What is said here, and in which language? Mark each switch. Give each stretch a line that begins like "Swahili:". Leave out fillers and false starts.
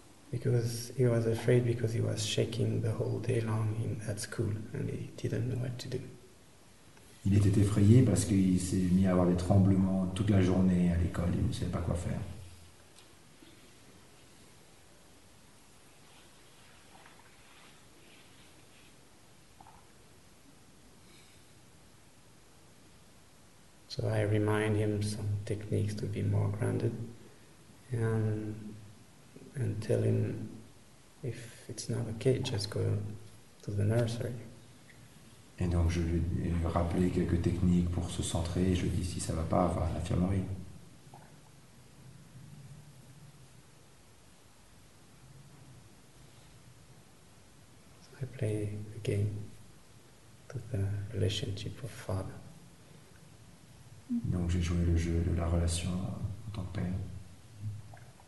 English: Because he was afraid, because he was shaking the whole day long at school, and he didn't know what to do.
French: Il était effrayé parce qu'il s'est mis à avoir des tremblements toute la journée à l'école. Il ne savait pas quoi faire.
English: So I remind him some techniques to be more grounded, and tell him if it's not okay, just go to the nursery.
French: Et donc je lui ai rappelé quelques techniques pour se centrer. Je lui dis si ça va pas, va à l'infirmerie.
English: So I play the game to the relationship of father.
French: Donc j'ai joué le jeu de la relation en tant que père.